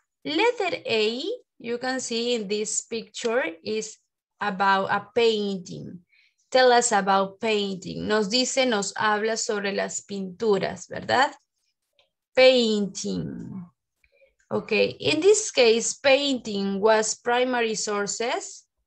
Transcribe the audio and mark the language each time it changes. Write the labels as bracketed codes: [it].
[en] Letter A, you can see in this picture, is about a painting. Tell us about painting. [es] Nos dice, nos habla sobre las pinturas, ¿verdad? [en] Painting. Okay, in this case, painting was primary sources.